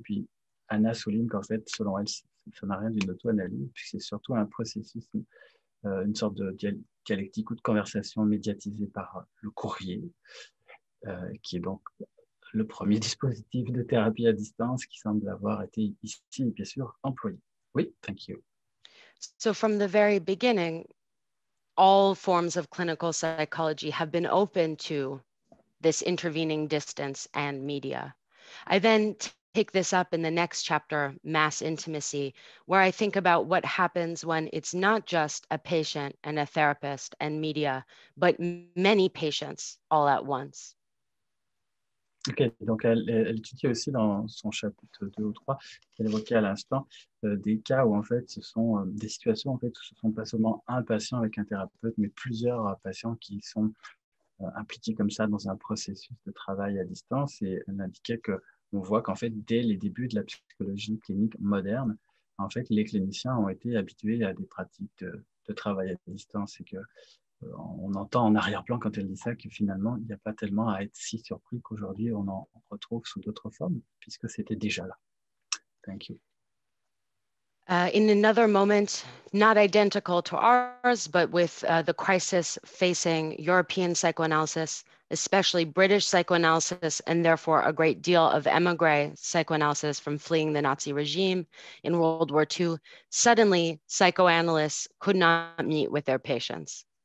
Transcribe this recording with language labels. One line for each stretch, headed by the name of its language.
French: Puis Anna souligne qu'en fait, selon elle, ça n'a rien d'une auto-analyse, puis c'est surtout un processus, une sorte de dialectique ou de conversation médiatisée par le courrier. Qui est donc le premier dispositif de thérapie à distance qui semble avoir été ici, bien sûr, employé. Oui,
English: thank you. So from the very beginning, all forms of clinical psychology have been open to this intervening distance and media. I then pick this up in the next chapter, Mass Intimacy, where I think about what happens when it's not just a patient and a therapist and media, but many patients all at once.
French: Ok, donc elle étudie aussi dans son chapitre 2 ou 3 qu'elle évoquait à l'instant des cas où en fait ce sont des situations en fait où ce ne sont pas seulement un patient avec un thérapeute mais plusieurs patients qui sont impliqués comme ça dans un processus de travail à distance, et elle indiquait qu'on voit qu'en fait dès les débuts de la psychologie clinique moderne, en fait les cliniciens ont été habitués à des pratiques de travail à distance, et que on entend en arrière-plan quand elle dit ça que finalement il n'y a pas tellement à être si surpris qu'aujourd'hui on en retrouve sous d'autres formes puisque c'était déjà là.
English: Thank you. In another moment, not identical to ours, but with the crisis facing European psychoanalysis, especially British psychoanalysis, and therefore a great deal of emigre psychoanalysis from fleeing the Nazi regime in World War II, suddenly psychoanalysts could not meet with their patients.